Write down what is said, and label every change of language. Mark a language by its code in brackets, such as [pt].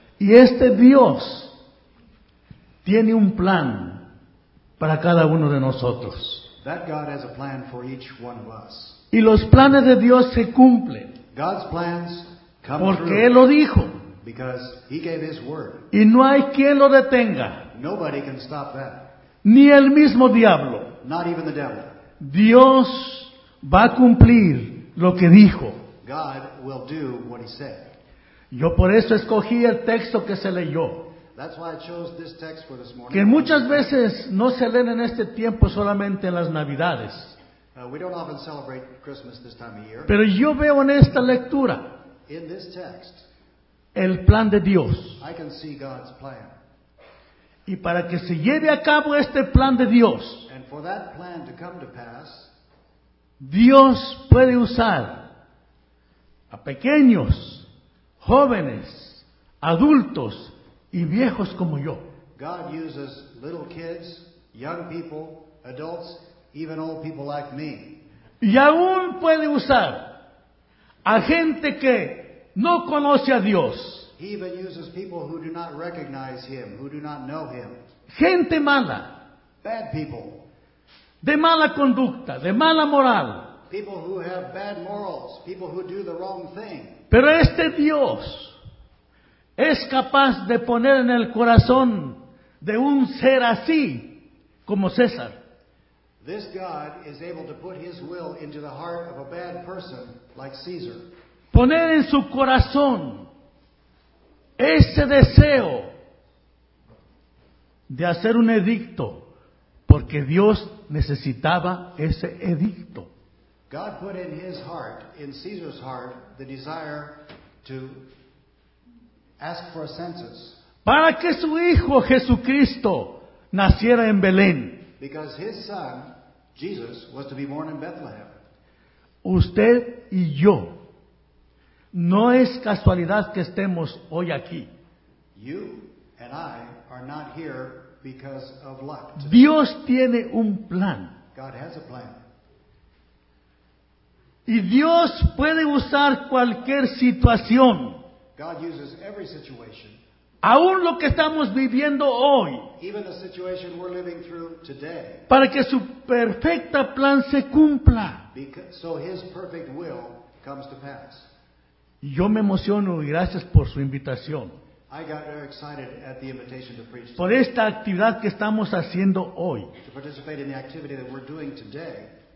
[es] Y este Dios tiene un plan para cada uno de nosotros. [en] That God has a plan for each one of us. [es] Y los planes de Dios se cumplen. [en] God's plans come [es] porque [en] through. [es] Él lo dijo. [en] Because he gave his word. [es] Y no hay quien lo detenga. [en] Nobody can stop that. [es] Ni el mismo diablo. [en] Not even the devil. [es] Dios va a cumplir lo que dijo. [en] God will do what he said. [es] Yo por eso escogí el texto que se leyó. [en] That's why I chose this text for this morning. [es] Que muchas veces no se leen en este tiempo, solamente en las Navidades. [en] We don't often celebrate Christmas this time of year. [es] Pero yo veo en esta lectura, [en] in this text, [es] el plan de Dios. [en] I can see God's plan. [es] Y para que se lleve a cabo este plan de Dios, [en] and for that plan to come to pass, [es] Dios puede usar a pequeños, jóvenes, adultos y viejos como yo. [en] God uses little kids, young people, adults, even old people like me. [es] Y aún puede usar a gente que no conoce a Dios. [en] He even uses people who do not recognize him, who do not know him. [es] Gente mala. [en] Bad people. [es] De mala conducta, de mala moral. [en] People who have bad morals, people who do the wrong thing. [es] Pero este Dios es capaz de poner en el corazón de un ser así como César. [en] This God is able to put his will into the heart of a bad person like Caesar. [es] Poner en su corazón ese deseo de hacer un edicto, porque Dios necesitaba ese edicto. [en] God put in his heart, in Caesar's heart, the desire to ask for a census. [es] Para que su hijo Jesucristo naciera en Belén. [en] Because his son, Jesus, was to be born in Bethlehem. [es] Usted y yo, no es casualidad que estemos hoy aquí. [en] You and I are not here because of luck. [es] Dios tiene un plan. [en] God has a plan. [es] Y Dios puede usar cualquier situación. [en] God uses every situation. [es] Aún lo que estamos viviendo hoy. [en] Even the situation we're living through today. [es] Para que su perfecta plan se cumpla. [en] So his perfect will comes to pass. [es] Yo me emociono y gracias por su invitación. [en] I got very excited at the invitation to preach today. [es] Por esta actividad que estamos haciendo hoy. [en] To participate in the activity that we're doing today.